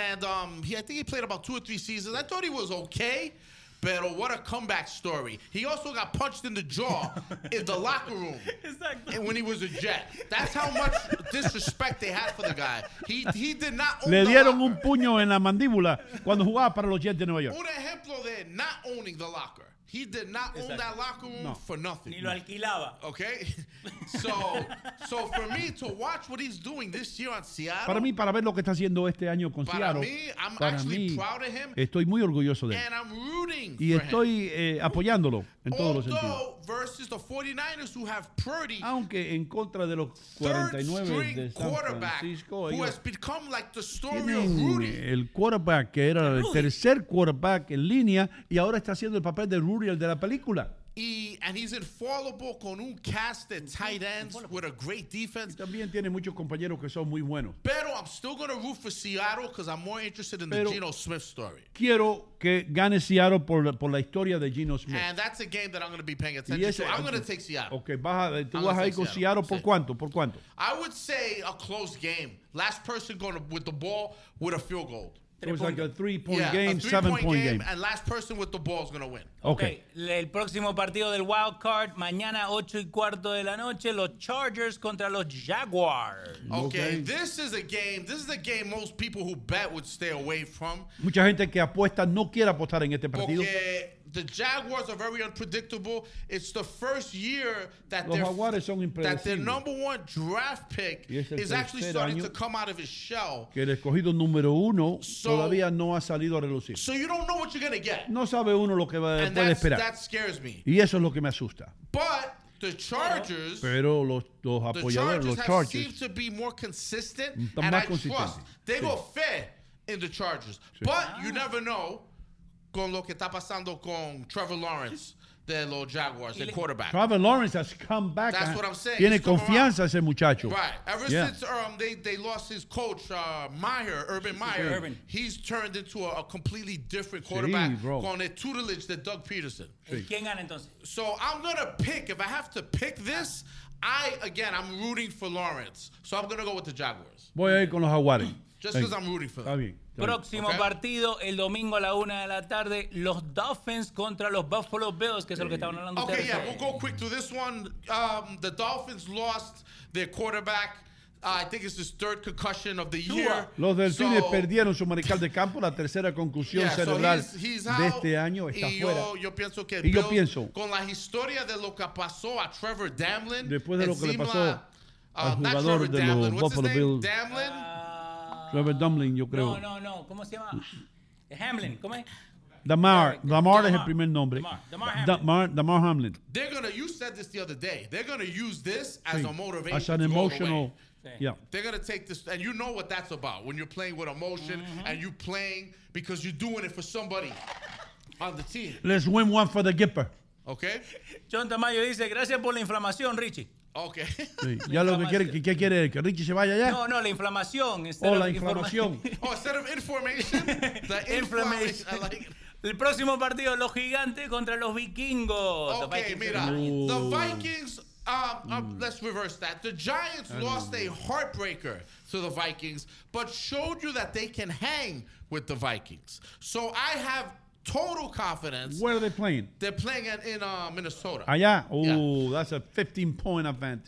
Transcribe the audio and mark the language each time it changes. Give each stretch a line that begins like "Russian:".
English: And I think he played about 2 or 3 seasons. I thought he was okay, pero what a comeback story. He also got punched in the jaw in the locker room exactly. When he was a Jet. That's how much disrespect they had for the guy. He did not own
Spanish: Le dieron un puño en la mandíbula cuando jugaba para los Jets de Nueva York. Un ejemplo de
English: not owning the locker. He did not exactly. Own that locker room no. For nothing.
Spanish: Ni lo alquilaba.
English: Okay? So for me to watch what he's doing this year on Seattle.
Spanish: Para mí, para ver lo que está haciendo este año con para Seattle.
English: I'm proud of him.
Spanish: Estoy muy orgulloso de él.
English: And I'm rooting
Spanish: y
English: for
Spanish: estoy,
English: him.
Spanish: Y estoy apoyándolo en
English: Although,
Spanish: todos los sentidos.
English: Although versus the 49ers who have Purdy.
Spanish: Aunque en contra de los 49 de San Francisco.
English: Who has become like the story of Rudy.
Spanish: El quarterback que era el tercer quarterback en línea y ahora está haciendo el papel de Rudy. El de la película.
English: And he's infallible
Spanish: con un cast de
English: tight ends with a great defense.
Spanish: Y también tiene muchos compañeros que son muy buenos.
English: Pero I'm still going to root for Seattle because I'm more interested in
Spanish: Pero
English: the Geno Smith story.
Spanish: Quiero que gane Seattle por la historia de Geno Smith.
English: And that's a game that I'm going to be paying attention to. I'm going to take Seattle.
Spanish: Okay, tú vas a ir con Seattle por cuánto? ¿Por cuánto?
English: I would say a close game. Last person going with the ball with a field goal. It was like a 3-point game, 7-point game. And last person with the ball is going to win. Okay.
Spanish: El próximo partido del wild card, mañana 8:15 de la noche, los Chargers contra los Jaguars.
English: Okay, this is a game. This is a game most people who bet would stay away from.
Spanish: Mucha gente que apuesta no quiere apostar en este partido.
English: The Jaguars are very unpredictable. It's the first year that their number one draft pick is actually starting to come out of his shell.
Spanish: Que el escogido número uno todavía no ha salido a relucir.
English: So you don't know what you're going to get.
Spanish: No sabe uno lo que puede esperar.
English: That scares me.
Spanish: Y eso es lo que me asusta.
English: But the Chargers,
Spanish: pero los apoyadores, los Chargers,
English: seem to be more consistent and I trust. They go fair in the Chargers. Sí. But you never know.
Spanish: Con lo que está pasando con Trevor Lawrence de los Jaguars, el quarterback.
English: Trevor Lawrence has come back. That's what I'm saying.
Spanish: Tiene confianza ese muchacho.
English: Right. Ever since they lost his coach, Urban Meyer, he's turned into a completely different quarterback
Spanish: con el tutelage de
English: Doug Peterson.
Spanish: ¿Y quién gana entonces?
English: So I'm going to pick, if I have to pick this, I'm rooting for Lawrence. So I'm going to go with the Jaguars.
Spanish: Voy a ir con los Jaguares.
English: Just because I'm rooting for them.
Spanish: Está bien. Próximo partido, el domingo a la 1:00 p.m, los Dolphins contra los Buffalo Bills, que es lo que estaban hablando.
English: Okay, yeah, we'll go quick to this one. The Dolphins lost their quarterback. I think it's his third concussion of the year.
Spanish: Los Delfines perdieron su mariscal de campo, la tercera concusión cerebral de este año. Está fuera. Yo pienso que con la historia de lo que pasó a Trevor Damlin, después de lo que le pasó al jugador de los Buffalo Bills. Trevor Dumbling, yo creo. No. ¿Cómo se llama? Hamlin. ¿Cómo es? Damar es el primer nombre. Damar Hamlin.
English: They're gonna. You said this the other day. They're gonna use this as a motivation. As an emotional. Yeah. They're gonna take this, and you know what that's about when you're playing with emotion and you're playing because you're doing it for somebody on the team. Let's win one for the Gipper. Okay.
Spanish: John Tamayo dice gracias por la inflamación, Richie.
English: Okay.
Spanish: Sí. Ya lo que quiere, ¿qué quiere? ¿Que Richie se vaya ya? No, la inflamación. La inflamación.
English: Instead of information. The inflammation. I like it.
Spanish: El próximo partido, los Gigantes contra los Vikingos.
English: Okay, mira. The Vikings, let's reverse that. The Giants lost a heartbreaker to the Vikings, but showed you that they can hang with the Vikings. So I have total confidence. Where are they playing? They're playing in Minnesota. Allá? That's a 15-point event.